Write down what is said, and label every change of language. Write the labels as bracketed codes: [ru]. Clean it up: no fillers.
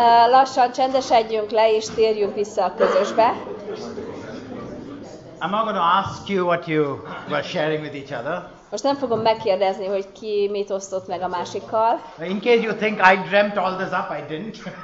[hu] Lassan csendesedjünk le és térjünk vissza a közösbe. [en] I'm not going to ask you what you were sharing with each other. [hu] Most nem fogom megkérdezni, hogy ki mit osztott meg a másikkal. [en] In case you think I dreamt all this up, I didn't.